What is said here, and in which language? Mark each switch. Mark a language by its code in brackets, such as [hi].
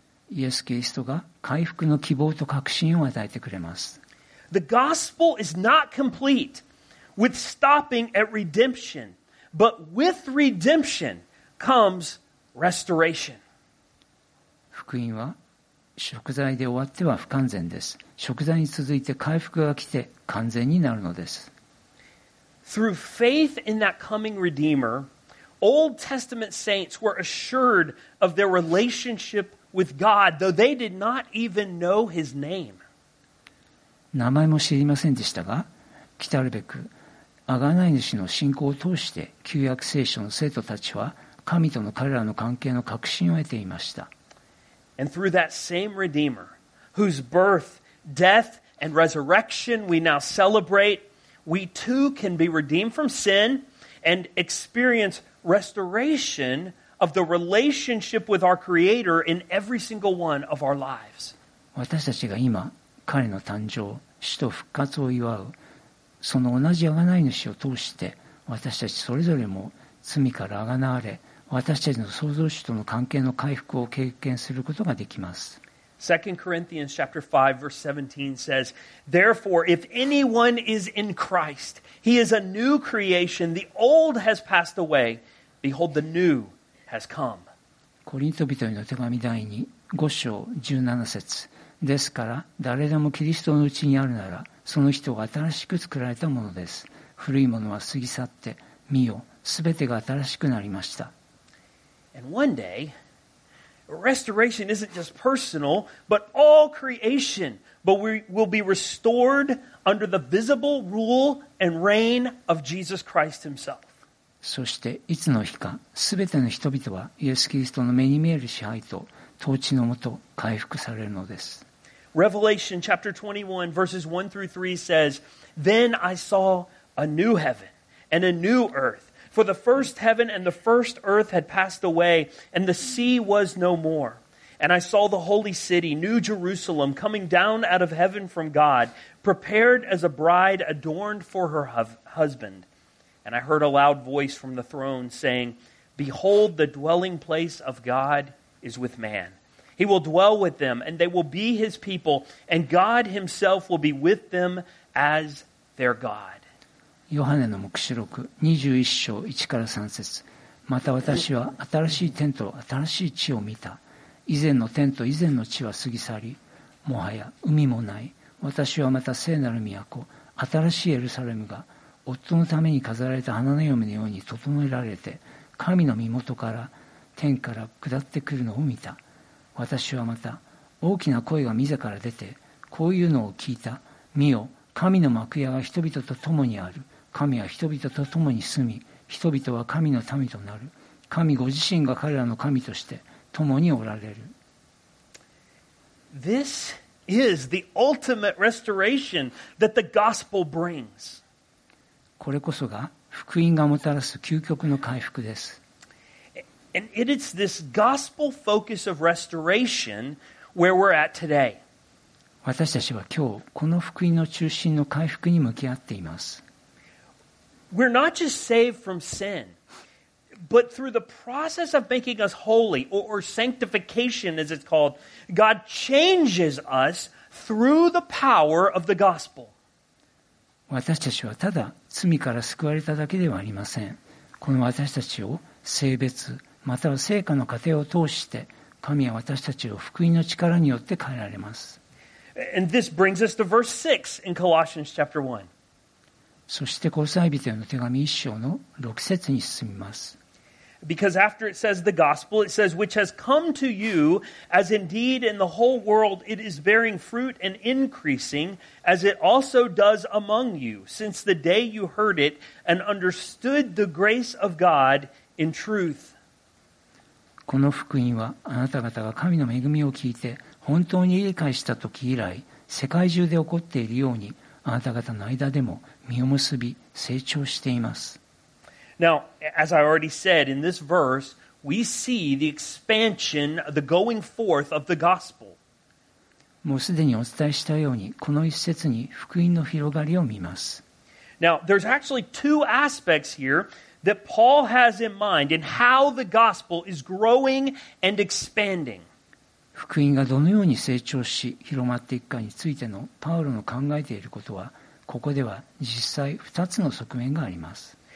[ja] イエス・キリストが回復の希望と確信を与えてくれます。 [en] The gospel is not complete with stopping at redemption, but with redemption comes restoration. [ja] 福音は贖罪で終わっては不完全です。贖罪に続いて回復が来て完全になるのです。 [en] Through faith in that coming Redeemer, Old Testament saints were assured of their relationship with God, though they did not even know His name. [ja] 名前も知りませんでしたが、来たるべく贖い主の信仰を通して旧約聖書の生徒たちは神との彼らの関係の確信を得ていました。 [en] And through that same Redeemer, whose birth, death, and resurrection we now celebrate, we too can be redeemed from sin and experience restoration of the relationship with our Creator in every single one of our lives. [ja] 私たちが今、彼の誕生、死と復活を祝う、その同じ贖い主を通して、私たちそれぞれも罪から贖われ、私たちの創造主との関係の回復を経験することができます。 [en] 2 Corinthians chapter 5, verse 17 says, Therefore, if anyone is in Christ, he is a new creation. The old has passed away. Behold, the new has come. [ja] コリント人への手紙第2、5章17節。ですから、誰でもキリストのうちにあるなら、その人は新しく作られたものです。古いものは過ぎ去って、見よ、すべてが新しくなりました。 [en] And one day,Restoration isn't just personal, but all creation. But we will be restored under the visible rule and reign of Jesus Christ Himself. [ja] そしていつの日か、すべての人々はイエス・キリストの目に見える支配と統治のもと回復されるのです。 [en] Revelation chapter 21 verses 1 through 3 says, Then I saw a new heaven and a new earth. For the first heaven and the first earth had passed away, and the sea was no more. And I saw the holy city, New Jerusalem, coming down out of heaven from God, prepared as a bride adorned for her husband. And I heard a loud voice from the throne saying, Behold, the dwelling place of God is with man. He will dwell with them, and they will be his people, and God himself will be with them as their God. [ja] ヨハネの黙示録21章1から3節また私は新しい天と新しい地を見た以前の天と以前の地は過ぎ去りもはや海もない私はまた聖なる都新しいエルサレムが夫のために飾られた花の嫁のように整えられて神の身元から天から下ってくるのを見た私はまた大きな声が御から出てこういうのを聞いた見よ神の幕屋は人々と共にある。神は人々と共に住み、人々は神の民となる。神ご自身が彼らの神として共におられる。 [en] This is the ultimate restoration that the gospel brings. [ja] これこそが福音がもたらす究極の回復です。 [en] And it is this gospel focus of restoration where we're at today. [ja] 私たちは今日この福音の中心の回復に向き合っています。 [en] We're not just saved from sin, but through the process of making us holy, or sanctification as it's called, God changes us through the power of the gospel. [ja] 私たちはただ罪から救われただけではありません。この私たちを聖別または聖化の過程を通して神は私たちを福音の力によって変えられます。 [en] And this brings us to verse 6 in Colossians chapter 1. [ja] そしてコロサイ人への手紙1章の6節に進みます。 [en] Because after it says the gospel, it says, which has come to you, as indeed in the whole world it is bearing fruit and increasing, as it also does among you, since the day you heard it and understood the grace of God in truth. [ja] この福音はあなた方が神の恵みを聞いて、本当に理解した時以来、世界中で起こっているように、あなた方の間でも実を結び、成長しています。 [en] Now, as I already said, in this verse, we see the expansion, the going forth of the gospel. [ja] もうすでにお伝えしたように、この一節に福音の広がりを見ます。 [en] Now, there's actually two aspects here that Paul has in mind in how the gospel is growing and expanding. [ja] 福音がどのように成長し広まっていくかについてのパウロの考えていることはここでは実際2つの側面があります。